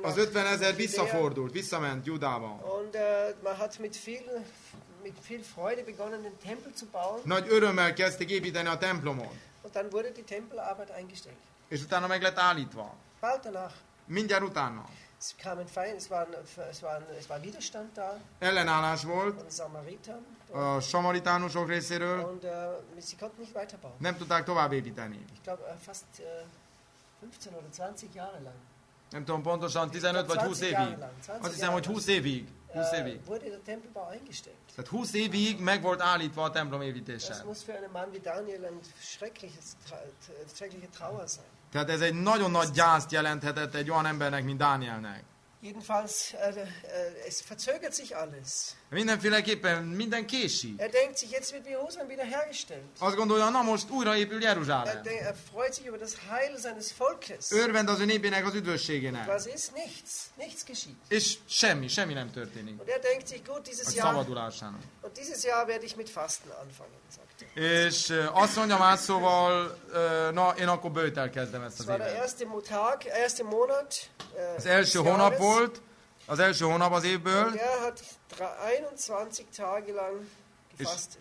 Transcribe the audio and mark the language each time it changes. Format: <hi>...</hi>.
<hu>Az 50.000 visszafordult, visszament Judába.</hu> <de>Und man hat mit viel mit viel Freude begonnen, den Tempel zu bauen.</de> <hu>Nagy örömmel kezdték építeni a templomot.</hu> <de>Und dann wurde die Tempelarbeit eingestellt.</de> <hu>És utána meg lett állítva.</hu> <de>Bald danach.</de> <hu>Mindjárt utána.</hu> <de>Es kam ein Feind, es war Widerstand da.</de> <hu>Ellenállás volt.</hu> <de>Von Samaritern.</de> <hu>A samaritánusok részéről.</hu> <de>Und sie konnten nicht weiterbauen.</de> <hu>Nem tudták tovább építeni.</hu> <de>Ich glaube fast 15 oder 20 Jahre lang.</de> <hu>Nem tudom pontosan, 15 vagy 20 évig. Azt hiszem, hogy 20 évig. 20 évig.</hu> <de>Wurde der Tempelbau eingestellt.</de> <hu>Tehát 20 évig meg volt állítva a templom építése.</hu> <de>Das muss für einen Mann wie Daniel ein schreckliche Trauer sein.</de> <hu>Tehát ez egy nagyon nagy gyászt jelenthetett egy olyan embernek, mint Dánielnek.</hu> <de>Jedenfalls, es verzögert sich alles.</de> <hu>Mindenféleképpen, minden késik.</hu> <de>Er denkt sich, jetzt wird Jerusalem wieder hergestellt.</de> <hu>Azt gondolja, na most újraépül Jeruzsálem.</hu> <de>Er freut sich über das Heil seines Volkes.</de> <hu>Örvend az ő népének, az üdvösségének.</hu> <de>Was ist? Nichts. Nichts geschieht.</de> <hu>És semmi nem történik.</hu> <de>Und er denkt sich, gut, dieses Jahr.</de> <hu>Szabadulásának.</hu> <de>Und dieses Jahr werde ich mit Fasten anfangen, sagt er.</de> <hu>És azt mondja más szóval, na, én akkor bőtel kezdem ezt az évet.</hu> <de>Es war der erste Montag, erste Monat.</de> <hu>Az első hónap volt, az első hónap az évből.</hu> <de>Und er hat 21 Tage lang gefastet.</de>